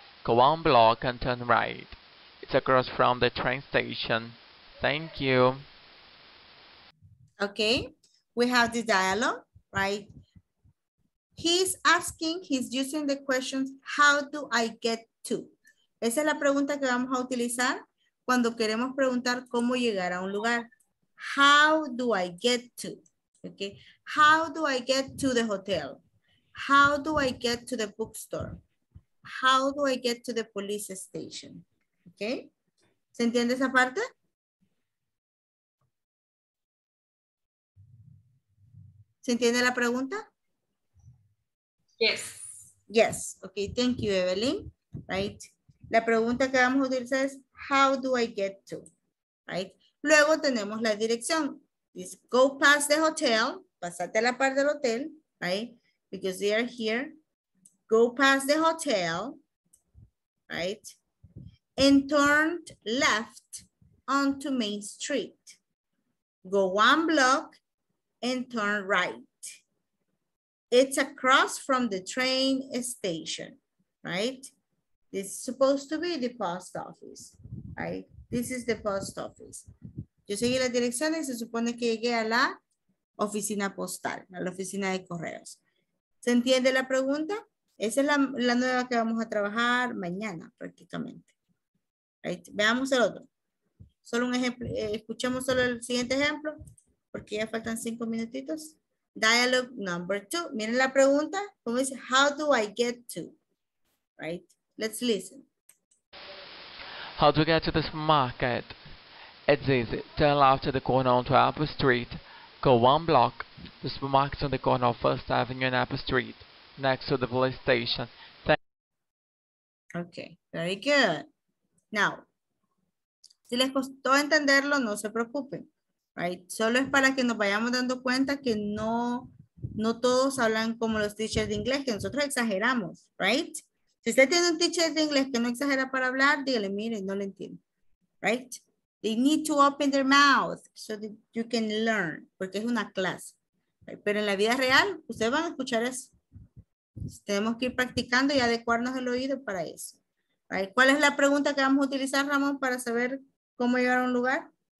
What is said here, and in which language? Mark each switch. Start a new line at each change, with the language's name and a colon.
English: Go one block and turn right. It's across from the train station. Thank you. Okay, we have the dialogue, right? He's asking, he's using the questions, how do I get to?
Spanish: Esa es la pregunta que vamos a utilizar cuando queremos preguntar cómo llegar a un lugar.
English: How do I get to? Okay, how do I get to the hotel? How do I get to the bookstore? How do I get to the police station?
Spanish: Okay, ¿se entiende esa parte? ¿Se entiende la pregunta?
English: Yes. Yes. Okay, thank you, Evelyn. Right.
Spanish: La pregunta que vamos a utilizar es
English: how do I get to? Right.
Spanish: Luego tenemos la dirección.
English: It's go past the hotel.
Spanish: Pásate a la par del hotel. Right.
English: Because they are here. Go past the hotel. Right. And turn left onto Main Street. Go one block and turn right. It's across from the train station, right? This is supposed to be the post office, right? This is the post office.
Spanish: Yo seguí las direcciones, se supone que llegué a la oficina postal, a la oficina de correos. ¿Se entiende la pregunta? Esa es la nueva que vamos a trabajar mañana prácticamente. Right? Veamos el otro. Solo un ejemplo, escuchemos solo el siguiente ejemplo, porque ya faltan 5 minutitos.
English: Dialogue number 2.
Spanish: Miren la pregunta, ¿cómo dice?
English: How do I get to? Right? Let's listen. How do I get to this market? It's easy. Turn left at the corner onto Apple Street. Go one block. The supermarket's on the corner of First Avenue and Apple Street, next to the police station. Okay, very good.
Spanish: Now, si les costó entenderlo, no se preocupen, right? Solo es para que nos vayamos dando cuenta que no todos hablan como los teachers de inglés, que nosotros exageramos, right? Si usted tiene un teacher de inglés que no exagera para hablar, dígale, mire, no le entiendo, right?
English: They need to open their mouth so that you can learn,
Spanish: porque es una clase.
English: Right?
Spanish: Pero en la vida real, ustedes van a escuchar eso. Tenemos que ir practicando y adecuarnos el oído para eso. Right. ¿Cuál es la pregunta que vamos a utilizar, Ramón, para saber cómo llegar a un lugar?